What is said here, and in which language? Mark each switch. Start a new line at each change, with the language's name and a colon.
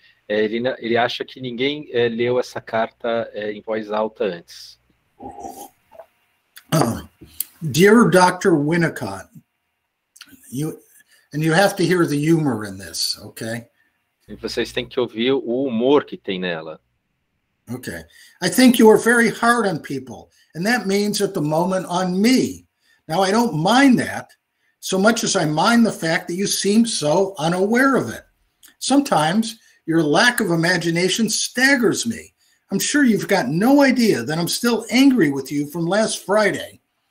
Portuguese: Ele acha que ninguém leu essa carta em voz alta antes.
English: Dear Dr. Winnicott, you have to hear the humor in this, okay?
Portuguese: E vocês têm que ouvir o humor que tem nela.
English: Okay. I think you are very hard on people, and that means at the moment on me. Now, I don't mind that so much as I mind the fact that you seem so unaware of it. Sometimes your lack of imagination staggers me. I'm sure you've got no idea that I'm still angry with you from last Friday.